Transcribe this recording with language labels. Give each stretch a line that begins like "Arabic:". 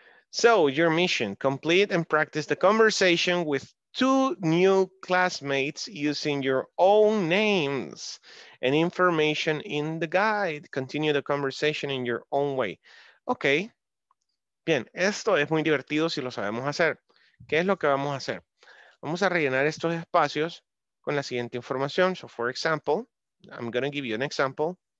English: So, your mission, complete and practice the conversation with two new classmates using your own names and information in the guide. Continue the conversation in your own way. Okay.
Spanish: Bien, esto es muy divertido si lo sabemos hacer. ¿Qué es lo que vamos a hacer? Vamos a rellenar estos espacios con la siguiente información.
English: So, for example, I'm going to give you an example.